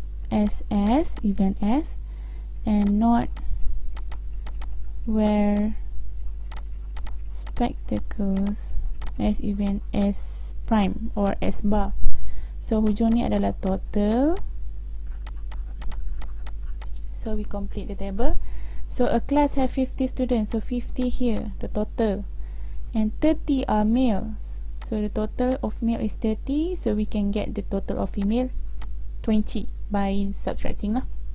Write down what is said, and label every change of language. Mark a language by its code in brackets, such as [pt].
[en] SS, event S, and not wear spectacles as event S prime or S bar. [ms] So hujung ni adalah total. [en] So we complete the table. So a class have 50 students, so 50 here, the total, and 30 are males, so the total of male is 30, so we can get the total of female 20 by subtracting lah.